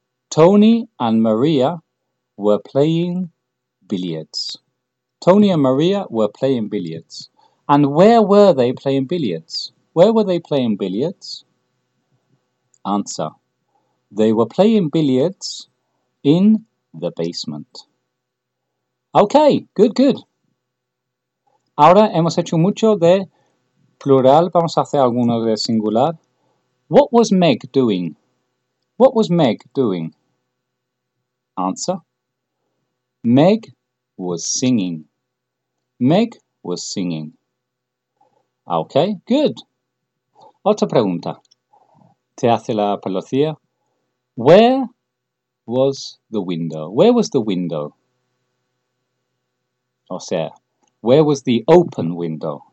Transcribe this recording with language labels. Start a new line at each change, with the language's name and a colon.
English: Tony and Maria were playing billiards. Tony and Maria were playing billiards. And where were they playing billiards? Where were they playing billiards? Answer. They were playing billiards in the basement. Okay, good, good.
Spanish: Ahora hemos hecho mucho de plural. Vamos a hacer alguno de singular.
English: What was Meg doing? What was Meg doing? Answer. Meg was singing. Meg was singing. Okay, good.
Spanish: Otra pregunta. Te hace la policía. Where
English: was the window? Where was the window?
Spanish: O sea,
English: where was the open window?